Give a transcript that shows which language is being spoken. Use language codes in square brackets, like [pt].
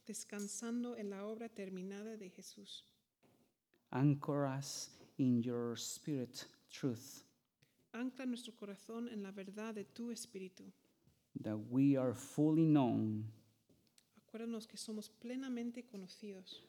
[es] Descansando en la obra terminada de Jesús. [en] Anchor us in your spirit truth. [es] Ancla nuestro corazón en la verdad de tu espíritu. [en] That we are fully known. [es] Acuérdanos que somos plenamente conocidos.